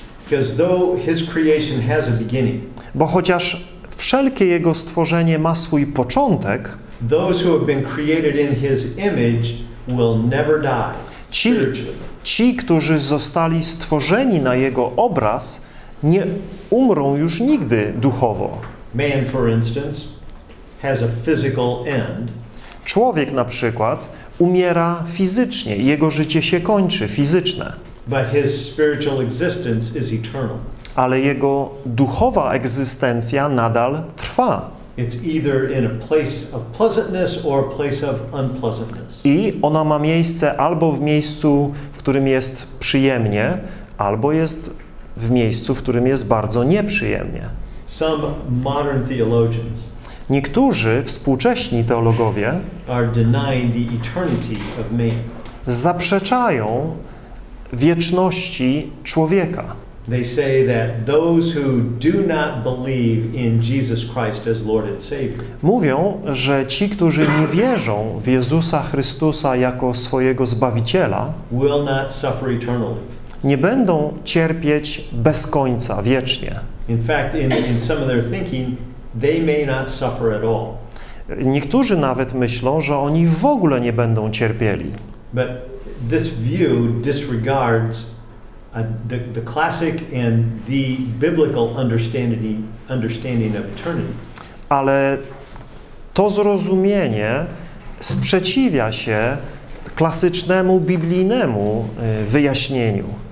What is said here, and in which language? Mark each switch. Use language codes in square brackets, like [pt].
[en] Because though his creation has a beginning. [pl] Bo chociaż wszelkie jego stworzenie ma swój początek, [en] those who have been created in his image will never die. [pl] Ci, którzy zostali stworzeni na jego obraz, nie umrą już nigdy duchowo. [en] Man, for instance, has a physical end. [pl] Człowiek na przykład umiera fizycznie, jego życie się kończy, fizyczne. [en] But his spiritual existence is eternal. [pl] Ale jego duchowa egzystencja nadal trwa. [en] It's either in a place of pleasantness or a place of unpleasantness. [pl] I ona ma miejsce albo w miejscu, w którym jest przyjemnie, albo jest w miejscu, w którym jest bardzo nieprzyjemnie. [en] Some modern theologians. [pl] Niektórzy współcześni teologowie [en] are denying the eternity of man. [pl] Zaprzeczają wieczności człowieka. [en] They say that those who do not believe in Jesus Christ as Lord and Savior. [pl] Mówią, że ci, którzy nie wierzą w Jezusa Chrystusa jako swojego Zbawiciela, [en] will not suffer eternally. [pl] Nie będą cierpieć bez końca, wiecznie. [en] In fact, in some of their thinking, they may not suffer at all. [pl] Niektórzy nawet myślą, że oni w ogóle nie będą cierpieli. [en] But this view disregards the classic and the biblical understanding of eternity. [pl] Ale to zrozumienie sprzeciwia się klasycznemu biblijnemu wyjaśnieniu.